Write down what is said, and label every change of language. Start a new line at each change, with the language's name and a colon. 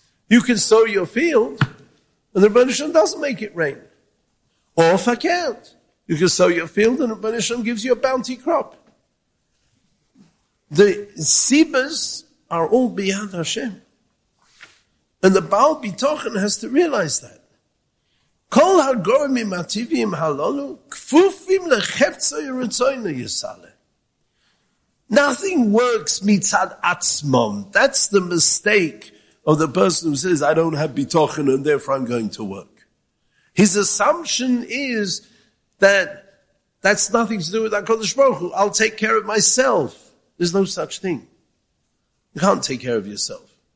English: You can sow your field, and the Rebbeinu Shem doesn't make it rain. Or faket, you can sow your field, and the Rebbeinu Shem gives you a bounty crop. The sibas are all B'yad Hashem. And the Baal Bitochen has to realize that.
Hebrew: כל הגורמים הטבעיים הללו כפופים לחפצו ירצוינו יסלה.
English: Nothing works mitzad atzmom. That's the mistake of the person who says, I don't have bitochen and therefore I'm going to work. His assumption is that that's nothing to do with HaKadosh Baruch Hu. I'll take care of myself. There's no such thing. You can't take care of yourself.